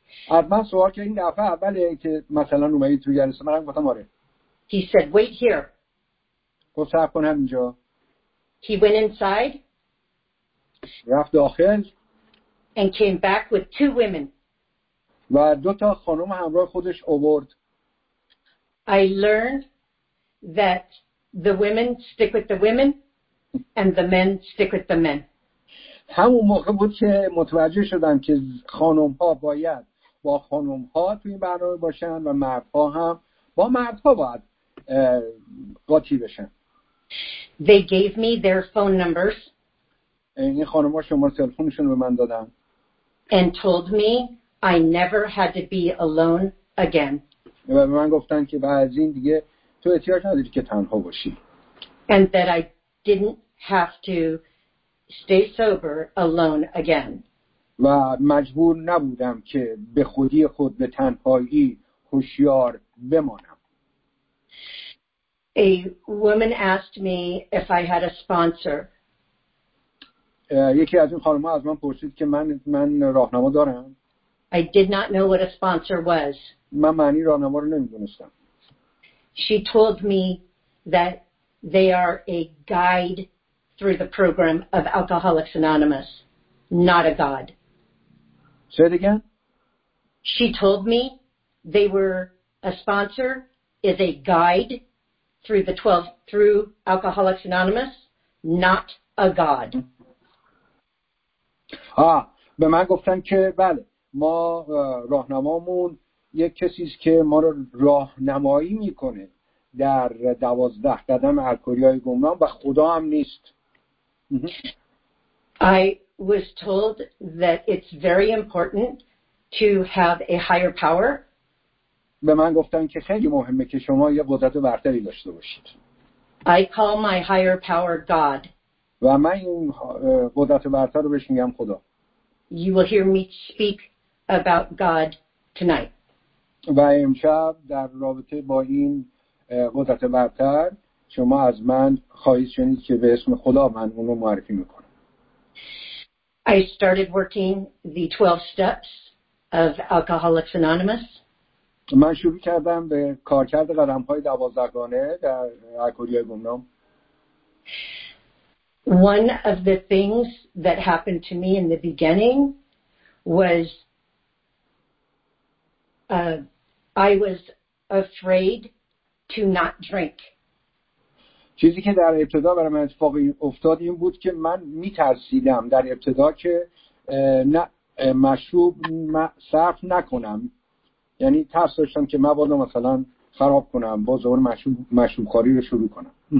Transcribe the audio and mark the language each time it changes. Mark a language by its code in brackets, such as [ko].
[fa] از من سوال که این دفعه اولی که مثلا اومدی توی جلسه من گفتم آره. [en] He said, wait here. [fa] گفت صبر کن همینجا. [en] He went inside. [fa] رفت داخل. [en] And came back with 2 women. [fa] و 2 تا خانم همراه خودش آورد. [en] I learned that the women stick with the women and the men stick with the men. [fa] همون موقع بود که متوجه شدم که خانم ها باید با خانم ها توی این برنامه باشن و مرد ها هم با مرد ها باید قاطی بشن. [en] They gave me their phone numbers. [fa] این خانم ها شماره تلفنشون رو به من دادن. [en] And told me I never had to be alone again. [fa] و به من گفتن که بعد از این دیگه تو احتیاج نداری که تنها باشی. [en] And that I didn't have to stay sober alone again. [fa] و مجبور نبودم که به خودی خود به تنهایی هوشیار بمانم. [en] A woman asked me if I had a sponsor. [fa] یکی از این خانم‌ها از من پرسید که من راهنما دارم. [en] I did not know what a sponsor was. [fa] من معنی راهنما رو نمی‌دونستم. [en] She told me that they are a guide through the program of Alcoholics Anonymous, not a god. Say it again. She told me they were a sponsor is a guide through the 12 through Alcoholics Anonymous, not a god. [fa] آه به من گفتن که بله ما راهنمامون یک کسی است که ما رو راهنمایی میکنه در 12 قدم الکلی‌های گمنام و خدا هم نیست. [en] I was told that it's very important to have a higher power. [fa] به من گفتن که خیلی مهمه که شما یه قدرت برتری داشته باشید. [en] I call my higher power God. [fa] و من این قدرت برتر رو بهش میگم خدا. [en] You will hear me speak about God tonight. [fa] و امشب در رابطه با این قدرت برتر شما از من خواهید شنید که به اسم خدا من اون رو معرفی میکنم. [en] I started working the 12 steps of Alcoholics Anonymous. [fa] من شروع کردم به کارکرد قدم‌های 12 گانه در الکلی‌های گمنام. [en] One of the things that happened to me in the beginning was I was afraid to not drink. [fa] چیزی که در ابتدا برای من اتفاقی افتاد این بود که من میترسیدم در ابتدا که نه مشروب صرف نکنم. یعنی ترس داشتم که مبادا مثلا خراب کنم با زور مشروب خوری رو شروع کنم.